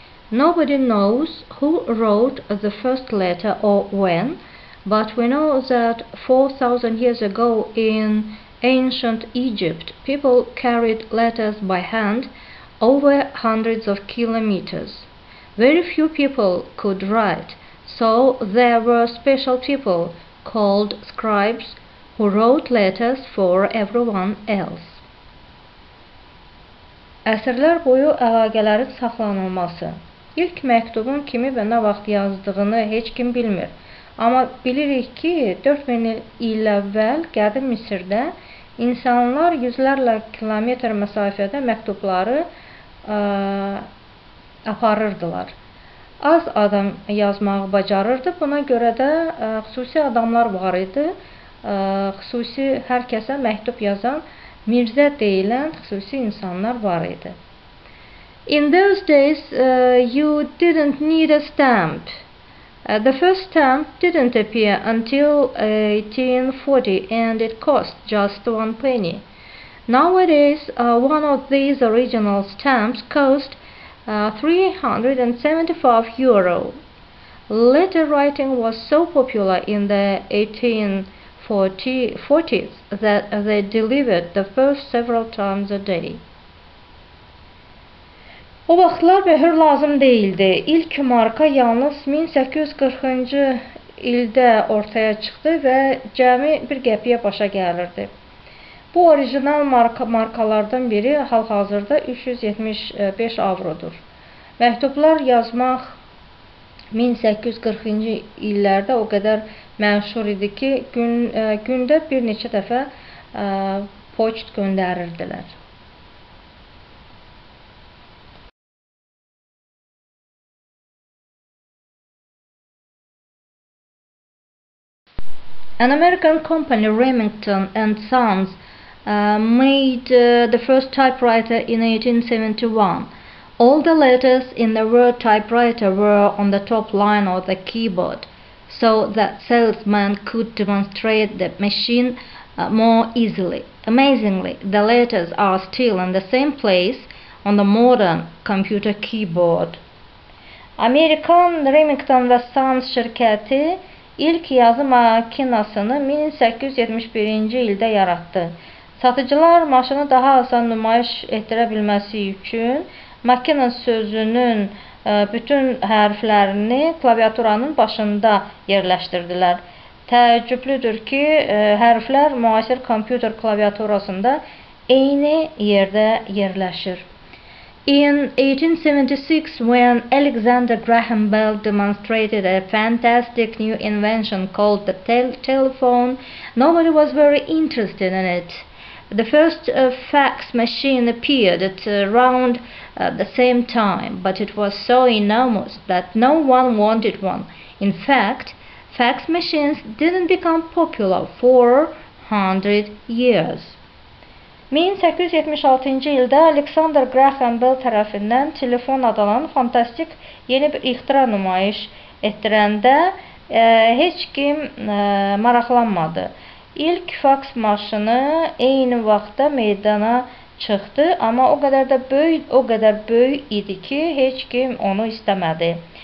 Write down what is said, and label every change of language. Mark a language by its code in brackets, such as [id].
[en] Nobody knows who wrote the first letter or when, but we know that 4,000 years ago in ancient Egypt, people carried letters by hand over hundreds of kilometers. Very few people could write, so there were special people called scribes who wrote letters for everyone else. [az] Əsrlər boyu əlaqələrin saxlanılması. İlk məktubun kimi və nə vaxt yazdığını heç kim bilmir. Amma bilirik ki, 4000 il əvvəl qədim Misirdə İnsanlar yüzlərlə kilometr məsafədə məktubları aparırdılar. Az adam yazmağı bacarırdı, buna görə də xüsusi adamlar var idi. Xüsusi hər kəsə məktub yazan mirzə deyilən xüsusi insanlar var idi. [en] In those days, you didn't need a stamp. The first stamp didn't appear until 1840 and it cost just 1 penny. Nowadays, one of these original stamps cost 375 euro. Letter writing was so popular in the 1840s that they delivered the first several times a day. [az] O vaxtlar möhür lazım deyildi. İlk marka yalnız 1840-cı ildə ortaya çıxdı və cəmi bir qəpiyə başa gəlirdi. Bu orijinal markalardan biri hal-hazırda 375 avrodur. Məktublar yazmaq 1840-cı illərdə o qədər məşhur idi ki, gündə bir neçə dəfə poçt göndərirdilər. [en] An American company, Remington and Sons, made the first typewriter in 1871. All the letters in the word typewriter were on the top line of the keyboard, so that salesmen could demonstrate the machine more easily. Amazingly, the letters are still in the same place on the modern computer keyboard. [az] American Remington and Sons şirkəti İlk yazı makinasını 1871-ci ildə yaratdı. Satıcılar maşını daha asan nümayiş etdirə bilməsi üçün makina sözünün bütün hərflərini klaviaturanın başında yerləşdirdilər. Təəccüblüdür ki, hərflər müasir kompüter klaviaturasında eyni yerdə yerləşir. [en] In 1876, when Alexander Graham Bell demonstrated a fantastic new invention called the telephone, nobody was very interested in it. The first fax machine appeared at around the same time, but it was so enormous that no one wanted one. In fact, fax machines didn't become popular for 100 years. [az] 1876-cı ildə Alexander Graham Bell tərəfindən telefon adlanan fantastik yeni bir ixtira nümayiş etdirəndə heç kim maraqlanmadı. İlk faks maşını eyni vaxtda meydana çıxdı, amma o qədər də böyük, o qədər böyük idi ki, heç kim onu istəmədi.